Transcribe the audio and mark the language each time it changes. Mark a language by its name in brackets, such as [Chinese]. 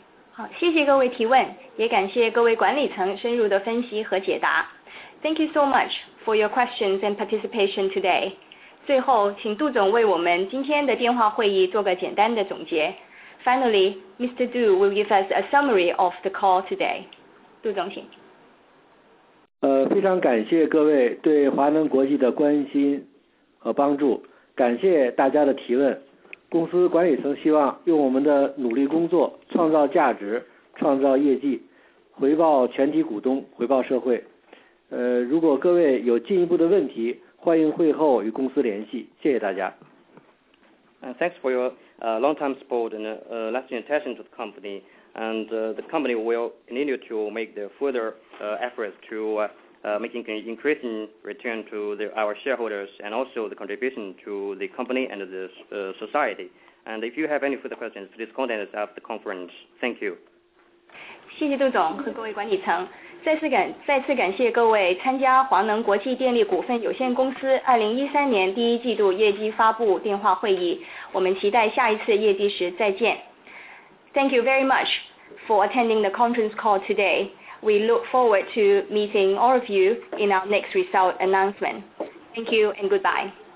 [Chinese] 好，谢谢各位提问，也感谢各位管理层深入的分析和解答。 [English] Thank you so much for your questions and participation today. [Chinese] 最后，请杜总为我们今天的电话会议做个简单的总结。 [English] Finally, Mr. Du will give us a summary of the call today. [Chinese] 杜总，请。非常感谢各位对华能国际的关心和帮助，感谢大家的提问。公司管理层希望用我们的努力工作，创造价值，创造业绩，回报全体股东，回报社会。如果各位有进一步的问题，欢迎会后与公司联系。谢谢大家。 [English] Thanks for your long-time support and lasting attention to the company. And the company will continue to make the further efforts to making an increasing return to our shareholders and also the contribution to the company and the society. And if you have any further questions, please contact us after the conference. Thank you. [Chinese] 谢谢杜总和各位管理层，再次感谢各位参加华能国际电力股份有限公司2013年第一季度业绩发布电话会议。我们期待下一次业绩时再见。 [English] Thank you very much for attending the conference call today. We look forward to meeting all of you in our next result announcement. Thank you and goodbye.